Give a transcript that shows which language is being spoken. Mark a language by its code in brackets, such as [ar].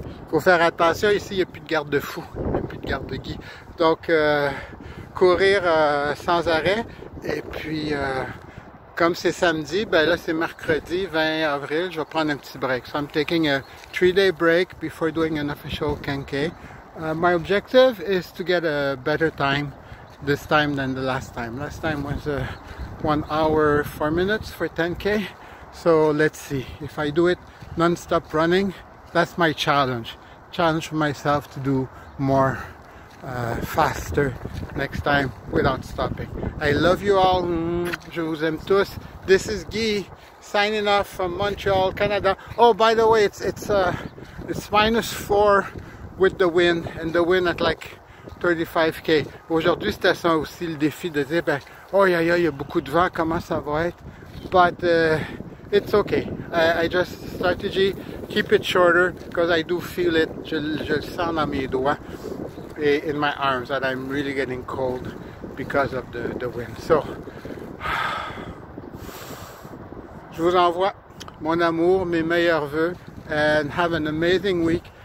[fr] Faut faire attention ici, il n'y a plus de garde-fou, il n'y a plus de garde-gui. Donc, courir sans arrêt. Et puis, comme c'est samedi, ben là c'est mercredi 20 avril, je vais prendre un petit break. [en] So I'm taking a 3-day break before doing an official 10K. My objective is to get a better time this time than the last time. Last time was 1 hour 4 minutes for 10K. So let's see if I do it non-stop running. That's my challenge. Challenge for myself to do more faster next time without stopping. I love you all. [fr] Je vous aime tous. [en] This is Guy signing off from Montreal, Canada. Oh, by the way, it's -4 with the wind, and the wind at like 35K. [fr] Aujourd'hui, c'était ça aussi le défi de dire, ben, oh, il y a beaucoup de vent, comment ça va être? [en] But it's okay. I just strategy. Keep it shorter, because I do feel it. [fr] Je le sens dans mes doigts et [en] in my arms, that I'm really getting cold because of the wind. [fr] So, je vous envoie mon amour, mes meilleurs voeux, [en] and have an amazing week.